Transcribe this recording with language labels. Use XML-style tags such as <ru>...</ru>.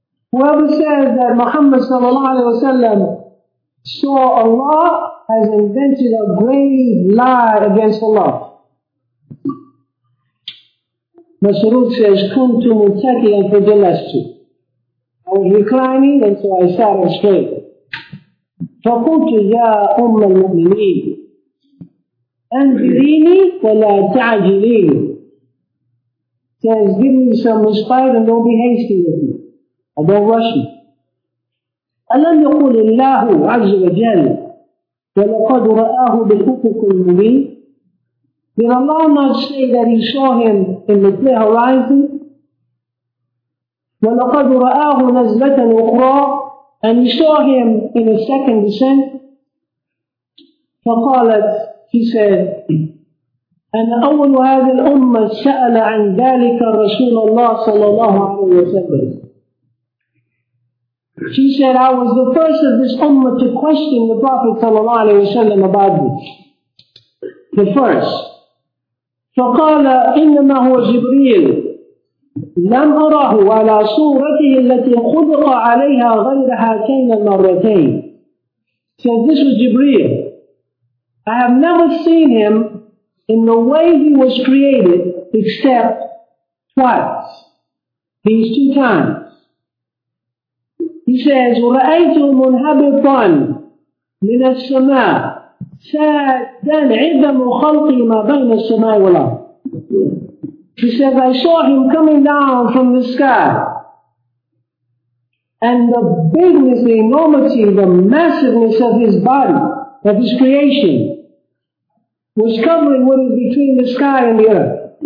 <en>Whoever says that Muhammad صلى الله عليه وسلم saw Allah has invented a grave lie against Allah. Masrur says,</en> <ar>كنت متكئا فجلست.</ar> <en>I was reclining and so I sat up straight.</en> <ar>فقلت يا أم المؤمنين أنذريني ولا تعجليني.</ar> <en>Says, give me some respite and don't be hasty with me. I don't rush you.</en> <ar>ألم يقول الله عز وجل ولقد رآه بالأفق المبين.</ar> <en>Did Allah not say that he saw him in the clear horizon?</en> <ar>وَلَقَدْ رَآهُ نَزْلَةً أُخْرَىٰ.</ar> <en>And he saw him in a second descent.</en> <ar>فقالت,</ar> <en>he said,</en> <ar>أَنَا أَوَّلُ هَذِي الْأُمَّةِ سَأَلَ عَنْ ذَلِكَ رَسُولَ اللَّهِ صَلَى اللَّهُ عَلَيْهِ وَسَلَّمَ.</ar> <en>She said, I was the first of this ummah to question the Prophet صلى الله عليه وسلم about this. The first.</en> <ar>فقال إنما هو جبريل لم أره على صورته التي خلق عليها غير هاتين المرتين.</ar> <en>So this was Jibreel. I have never seen him in the way he was created except twice. These two times. He says,</en> <ar>ورأيت منهبطا من السماء سادا عظم خلقي ما بين السماء والأرض.</ar> <en>He says, I saw him coming down from the sky. And the bigness, the enormity, the massiveness of his body, of his creation, was covering what is between the sky and the earth.</en>